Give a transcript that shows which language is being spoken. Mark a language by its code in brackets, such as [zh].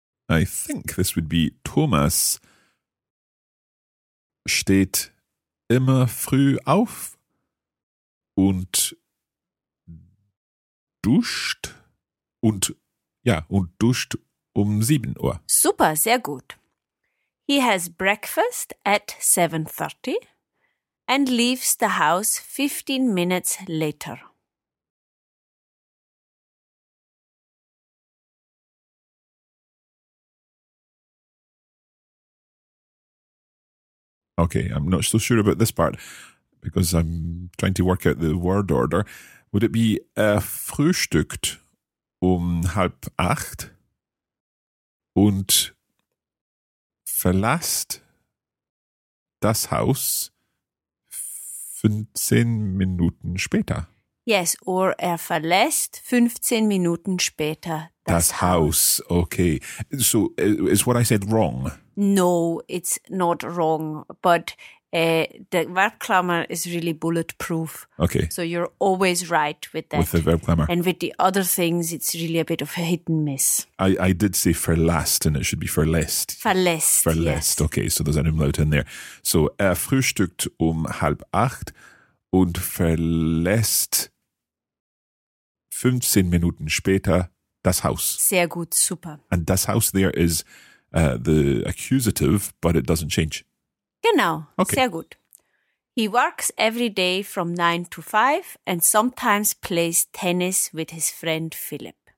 [en] I think this would be [de] Thomas steht immer früh auf und duscht und ja und duscht um 7 Uhr. Super, sehr gut. [en] He has breakfast at 7:30 and leaves the house 15 minutes later. Okay, I'm not so sure about this part because I'm trying to work out the word order. Would it be [de] frühstückt um 7:30 und verlässt das Haus 15 Minuten später? [en] Yes, or [de] verlässt 15 Minuten später das Haus. [en] Okay. So is what I said wrong? No, it's not wrong, but the Verbklammer is really bulletproof. Okay. So you're always right with that. With the Verbklammer. And with the other things, it's really a bit of a hit and miss. I did say [de] verlässt, [en] and it should be verlässt. [de] Verlässt. Verlässt. Yes. [en] Okay, so there's an umlaut in there. [de] So frühstückt 7:30 und verlässt 15 Minuten später das Haus. Sehr gut, super. [en] And das Haus there is the accusative, but it doesn't change. [de] Genau, okay. Sehr gut. [en] He works every day from 9 to 5 and sometimes plays tennis with his friend Philip.